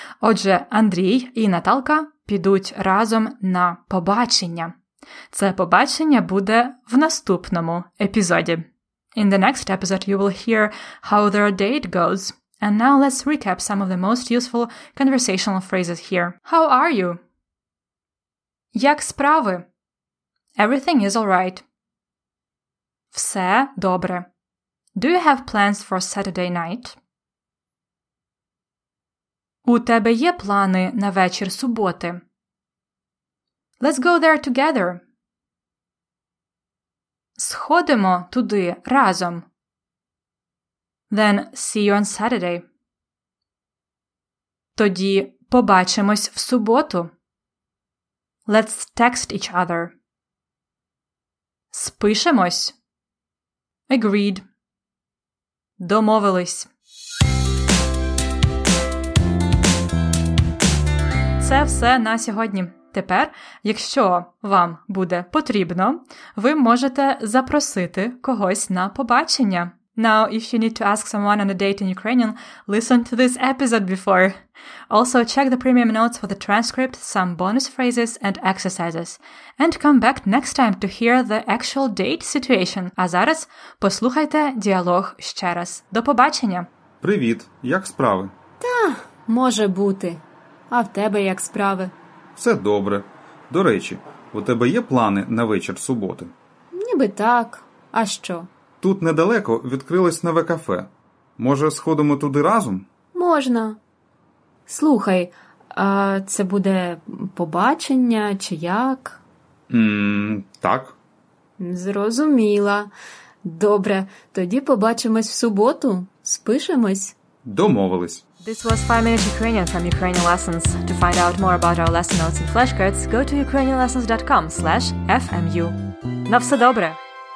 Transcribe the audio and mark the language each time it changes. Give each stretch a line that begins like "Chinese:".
Ukrainian: Отже, Андрій і Наталка підуть разом на побачення. Це побачення буде в наступному епізоді.
English: In the next episode you will hear how their date goes. And now let's recap some of the most useful conversational phrases here. How are you?
Ukrainian: Як справи?
English: Everything is all right.
Ukrainian: Все добре.
English: Do you have plans for Saturday night?
Ukrainian: У тебе є плани на вечір суботи?
English: Let's go there together.
Ukrainian: Сходимо туди разом.
English: Then see you on Saturday.
Ukrainian: Тоді побачимось в суботу.
English: Let's text each other.
Ukrainian: Спишемось.
English: Agreed.
Ukrainian: Домовились. Це все на сьогодні. Тепер, якщо вам буде потрібно, ви можете запросити когось на побачення.
English: Now, if you need to ask someone on a date in Ukrainian, listen to this episode before. Also, check the premium notes for the transcript, some bonus phrases and exercises. And come back next time to hear the actual date situation.
Ukrainian: А зараз послухайте діалог ще раз. До побачення! Привіт! Як справи? Та, може бути. А в тебе як справи? Все добре. До речі, у тебе є плани на вечір суботи? Ніби так. А що? Тут недалеко відкрилось нове кафе. Може, сходимо туди разом? Можна. Слухай, а це буде побачення чи як? Так. Зрозуміла. Добре, тоді побачимось в суботу. Спишемось. Домовились.
English: This was 5 Minutes Ukrainian from Ukrainian Lessons. To find out more about our lesson notes and flashcards, go to ukrainianlessons.com/FMU.
Ukrainian: На все добре!